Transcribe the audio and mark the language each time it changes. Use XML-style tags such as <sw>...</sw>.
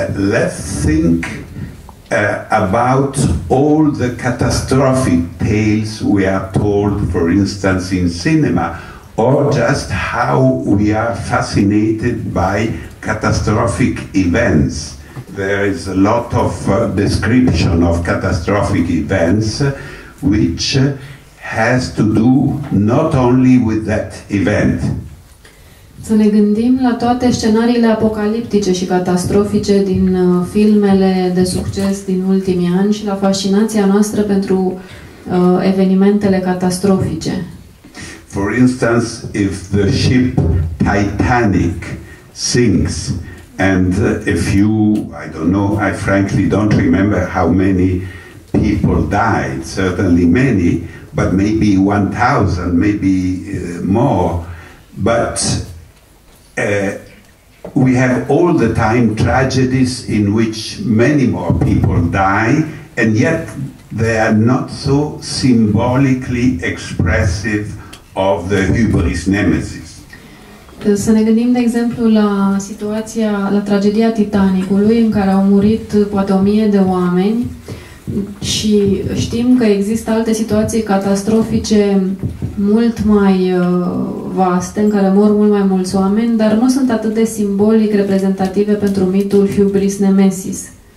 <en>Let's think about all the catastrophic tales we are told, for instance, in cinema, or just how we are fascinated by catastrophic events. There is a lot of description of catastrophic events which has to do not only with that event.</en> <ro>Să ne gândim la toate scenariile apocaliptice și catastrofice din filmele de succes din ultimii ani și la fascinația noastră pentru evenimentele catastrofice.</ro> <en>For instance, if the ship Titanic sinks, And if you, I don't know, I frankly don't remember how many people died, certainly many, but maybe 1,000, maybe more. But we have all the time tragedies in which many more people die, and yet they are not so symbolically expressive of the hubris nemesis.</en> <ro>Să ne gândim, de exemplu, la situația, la tragedia Titanicului, în care au murit poate 1000 de oameni, și știm că există alte situații catastrofice mult mai vaste, în care mor mult mai mulți oameni, dar nu sunt atât de simbolic reprezentative pentru mitul Hubris Nemesis.</ro>